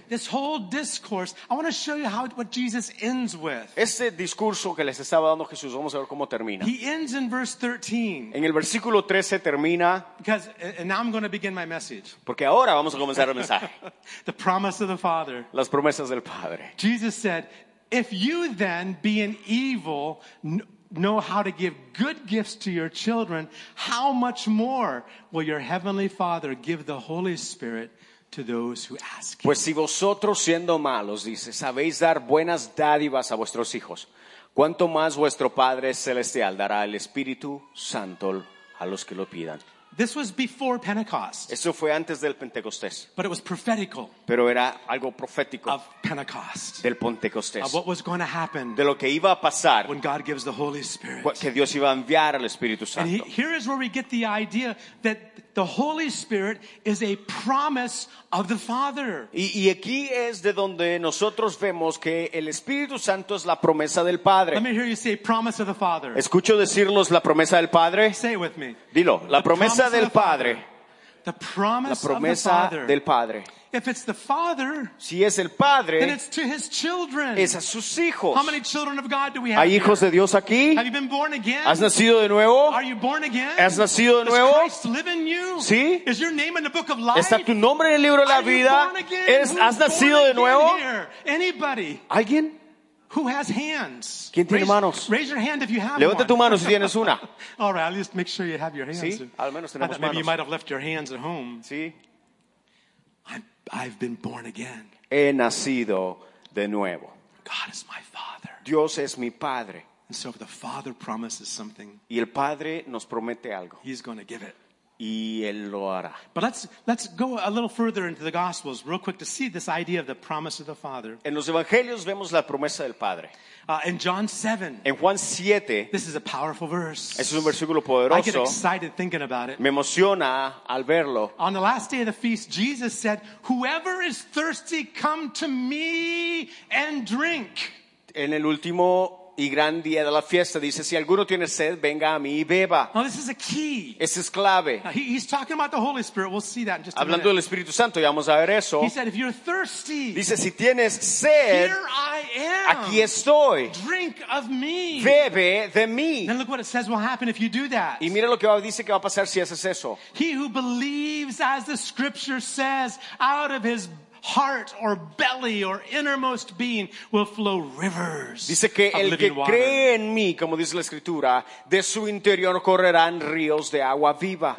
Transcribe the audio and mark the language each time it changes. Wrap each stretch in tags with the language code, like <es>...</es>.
<en>This whole discourse, I want to show you what Jesus ends with.</en> <es>Este discurso que les estaba dando Jesús, vamos a ver cómo termina.</es> <en>He ends in verse 13.</en> <es>En el versículo 13 termina.</es> <en>Because, and now I'm going to begin my message.</en> <es>Porque ahora vamos a comenzar el mensaje.</es> <en>The promise of the Father.</en> <es>Las promesas del Padre.</es> <en>Jesus said, if you then, being evil, know how to give good gifts to your children, how much more will your heavenly Father give the Holy Spirit to those who ask him?</en> <es>Pues si vosotros siendo malos, dice, sabéis dar buenas dádivas a vuestros hijos, ¿cuánto más vuestro Padre Celestial dará el Espíritu Santo a los que lo pidan?</es> <en>This was before Pentecost.</en> <es>Eso fue antes del Pentecostés.</es> <en>But it was prophetical.</en> <es>Pero era algo profético.</es> <en>Of Pentecost.</en> <es>Del Pentecostés.</es> <en>Of what was going to happen.</en> <es>De lo que iba a pasar.</es> <en>When God gives the Holy Spirit.</en> <es>Que Dios iba a enviar al Espíritu Santo.</es> <en>And here is where we get the idea that the Holy Spirit is a promise of the Father.</en> <es>Y aquí es de donde nosotros vemos que el Espíritu Santo es la promesa del Padre.</es> <en>Let me hear you say promise of the Father.</en> <es>Escucho decirlos la promesa del Padre.</es> <en>Say it with me.</en> <es>Dilo, la promesa del Padre.</es> <en>The promise</en> <es>la promesa</es> <en>of the Father.</en> <es>Del Padre.</es> <en>If it's the Father,</en> <es>si es el Padre,</es> <en>then it's to his children.</en> <es>Es a sus hijos.</es> <en>How many children of God do we have?</en> <es>¿Hay hijos</es> <en>here?</en> <es>De Dios aquí?</es> <en>Have you been born again?</en> <es>¿Has nacido de nuevo?</es> <en>Are you born again?</en> <es>¿Has nacido de nuevo?</es> <en>Christ live in you?</en> <es>¿Sí?</es> <en>Is your name in the book of life?</en> <es>¿Está tu nombre en el libro de la</es> <en>Are</en> <es>vida?</es> <en>You born again?</en> <es>¿Eres, ¿Has nacido</es> <en>born</en> <es>de nuevo?</es> <en>Here? Anybody?</en> <es>¿Alguien?</es> <en>Who has hands?</en> <es>¿Quién tiene manos?</es> <en>Raise your hand if you have</en> <es>Levanta</es> <en>one.</en> <es>Tu mano si tienes una.</es> <en>All right, I'll just make sure you have your hands.</en> <es>Sí, al menos tenemos</es> <en>manos. Maybe you might have left your hands at home.</en> <es>Sí.</es> <en>I've been born again.</en> <es>He nacido de nuevo.</es> <en>God is my Father.</en> <es>Dios es mi Padre.</es> <en>And so if the Father promises something,</en> <es>y el Padre nos promete algo,</es> <en>he's going to give it.</en> <es>Y él lo hará.</es> <en>But let's go a little further into the Gospels real quick to see this idea of the promise of the Father.</en> <es>En los Evangelios vemos la promesa del Padre.</es> <en>In John 7.</en> <es>En Juan 7.</es> <en>This is a powerful verse.</en> <es>Es un versículo poderoso.</es> <en>I get excited thinking about it.</en> <es>Me emociona al verlo.</es> <en>On the last day of the feast, Jesus said, "Whoever is thirsty, come to me and drink."</en> <es>En el último y gran día de la fiesta dice si alguno tiene sed venga a mí y beba.</es> <en>Now, this is a key.</en> <es>Ese es clave.</es> <en>Now, he's talking about the Holy Spirit. We'll see that in just a</en> <es>Hablando Del Espíritu Santo ya vamos a ver eso.</es> <en>He said if you're thirsty.</en> <es>Dice si tienes sed.</es> <en>Here I am.</en> <es>Aquí estoy.</es> <en>Drink of me.</en> <es>Bebe de mí.</es> <en>Then look what it says will happen if you do that.</en> <es>Y mira lo que dice que va a pasar si haces eso.</es> <en>He who believes as the scripture says out of his heart or belly or innermost being will flow rivers.</en> <es>Dice que el que cree en mí, como dice la escritura, de su interior correrán ríos de agua viva.</es>